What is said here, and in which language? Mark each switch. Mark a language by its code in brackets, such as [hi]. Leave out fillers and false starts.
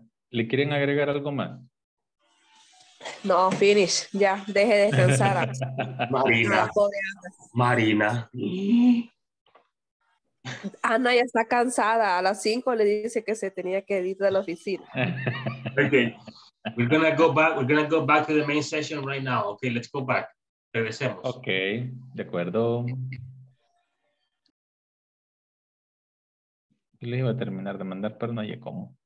[es] ¿Le quieren agregar algo más? No, finish. Ya, deje de descansar. Marina. Marina. Ana ya está cansada. A las 5 le dice que se tenía que ir de la oficina. [en] Okay. We're gonna go back to the main session right now. Okay, let's go back. [es] Regresemos. Okay, de acuerdo. Yo les iba a terminar de mandar, pero no hay cómo.